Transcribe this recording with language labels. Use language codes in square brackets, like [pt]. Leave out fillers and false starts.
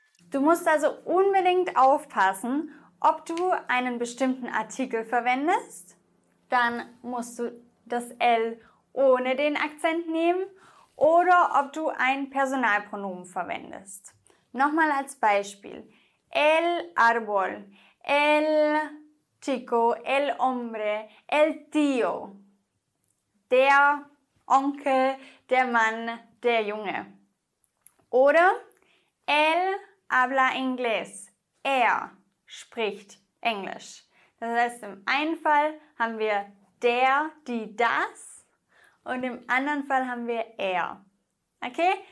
[de] Du musst also unbedingt aufpassen, ob du einen bestimmten Artikel verwendest. Dann musst du das L ohne den Akzent nehmen oder ob du ein Personalpronomen verwendest. Nochmal als Beispiel. [es] El árbol, el chico, el hombre, el tío. [de] Der Onkel, der Mann, der Junge. Oder [es] él habla inglés. [de] Er spricht Englisch. Das heißt, im einen Fall haben wir der, die, das und im anderen Fall haben wir er. Okay?